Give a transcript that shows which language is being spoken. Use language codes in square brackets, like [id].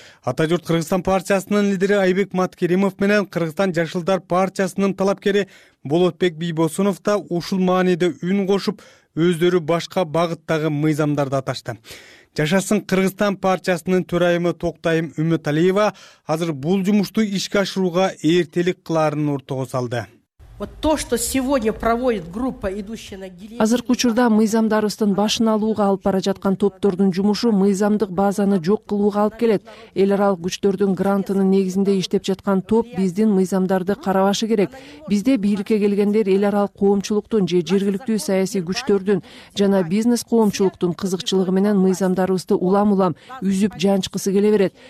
[ky] Атажурт Кыргызстан партиясынын лидери Айбек Маткеримов менен Кыргызстан жашылдар партиясынын талапкери Болотбек Бийбосунов да ушул мааниде үн кошуп, өздөрү башка багыттагы мыйзамдарды аташты. Жашасын Кыргызстан партиясынын төрайымы Токтайым Үмөталиева азыр бул жумушту ишке ашырууга эртелик кыларын ортого салды. [ru] Вот то, что сегодня проводит группа, идущая на гиле. [ky] Азыркы учурда мыйзамдарыстын башын алууга алып бара жаткан топтордун жумушу мыйзамдык базаны жок кылууга алып келет. Эл аралык күчтөрдүн грантынын негизинде иштеп жаткан топ биздин мыйзамдарды карабашы керек. Бизде бийликке келгендер эл аралык коомчулуктун же жергиликтүү саясий күчтөрдүн жана бизнес коомчулуктун кызыкчылыгы менен мыйзамдарыбызды улам-улам үзүп жанчкысы келе берет.